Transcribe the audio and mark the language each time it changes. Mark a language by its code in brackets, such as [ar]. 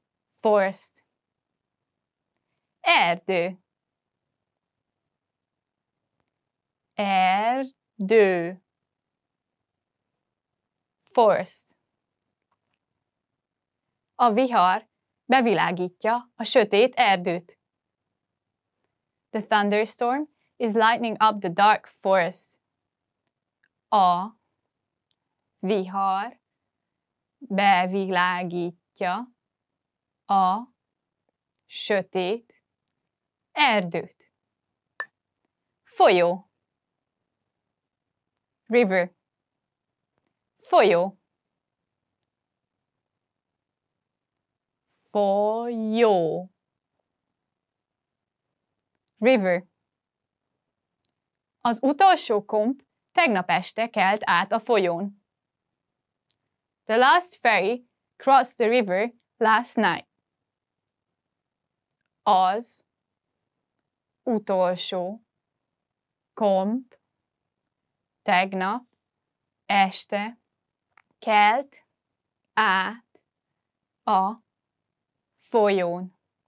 [en] Forest. Erdő. [hu] Erdő. [en] Forest. [hu] A vihar bevilágítja a sötét erdőt. [en] The thunderstorm is lighting up the dark forest. [hu] A vihar bevilágítja a sötét erdőt. Folyó. [en] River. [hu] Folyó. Folyó. [en] River. [hu] Az utolsó komp tegnap este kelt át a folyón. [en] The last ferry crossed the river last night. [hu] Az utolsó komp tegnap este kelt át a folyón.